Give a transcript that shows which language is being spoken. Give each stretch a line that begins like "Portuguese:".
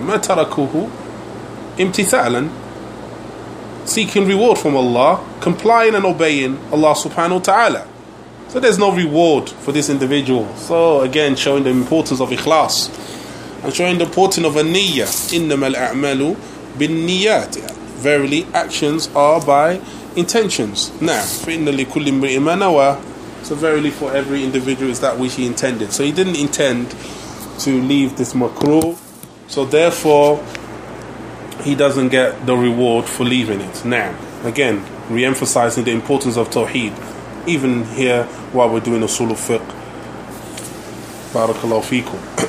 Arabic: Ma tarakuhu imtithalan.
English: Seeking reward from Allah, complying and obeying Allah subhanahu wa ta'ala. So there's no reward for this individual. So again, showing the importance of ikhlas, and showing the importance of a niyyah.
Arabic: إِنَّمَا الْأَعْمَالُ بِالنِّيَّاتِ.
English: Verily, actions are by intentions. Now,
Arabic: فَإِنَّ لِكُلِّ امْرِئٍ مَا نَوَى.
English: So verily, for every individual is that which he intended. So he didn't intend to leave this makruh, so therefore, he doesn't get the reward for leaving it. Now, again, re-emphasizing the importance of tawheed, even here while we're doing usul al-fiqh. Barakallahu fikum.